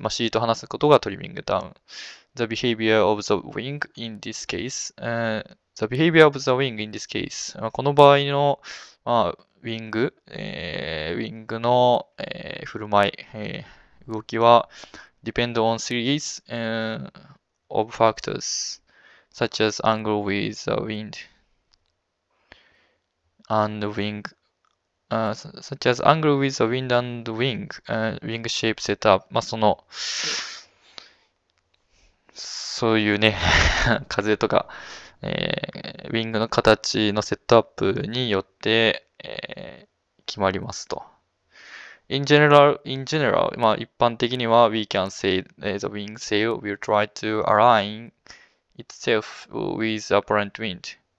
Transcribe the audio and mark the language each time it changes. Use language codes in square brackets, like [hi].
[ja] まあ、シートを離すことがトリミングダウン。 [en] The behavior of the wing in this case. The behavior of the wing in this case.、 [ja] まあ、この場合の、まあ、ウィングの、振る舞い、動きは [en] depend on series, of factors such as angle with the wind and wing. Such as angle with the wind and wing, wing shape setup. [ja] まあ、その、そういうね 風とか、ウィングの形のセットアップによって、決まりますと。 [en] In general, [ja] まあ、一般的には、 [en] we can say, the wing sail will try to align itself with the apparent wind.